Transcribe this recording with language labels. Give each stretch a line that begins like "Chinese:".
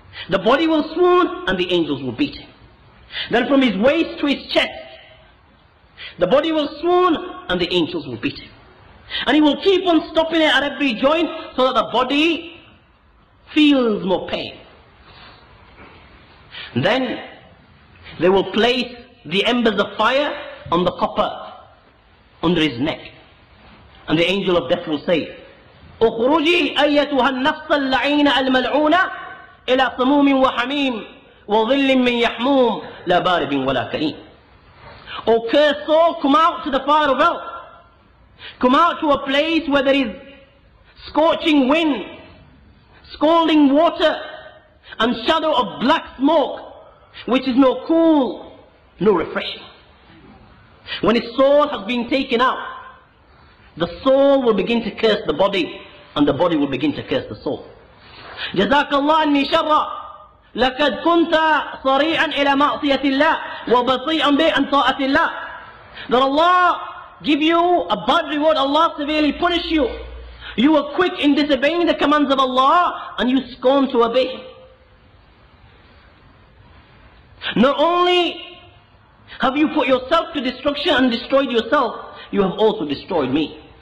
English: The body will swoon and the angels will beat him. Then from his waist to his chest, the body will swoon and the angels will beat him. And he will keep on stopping it at every joint so that the body feels more pain. Then they will place the embers of fire on the copper under his neck. And the angel of death will say,
Arabic: أخرجي أيتها النفس اللعينة الملعونة إلى صموم وحميم وظل من يحموم لا بارد ولا كريم.
English: O cursed soul, come out to the fire of hell. Come out to a place where there is scorching wind, scalding water, and shadow of black smoke, which is no cool, no refreshing. When his soul has been taken out, the soul will begin to curse the body, and the body will begin to curse the soul.
Arabic: جزاك الله عني شرا لقد كنت صريعا إلى معصية الله وبطيئا بأن طاعة الله.
English: That Allah give you a bad reward, Allah severely punish you. You were quick in disobeying the commands of Allah and you scorn to obey Him. Not only have you put yourself to destruction and destroyed yourself, you have also destroyed me.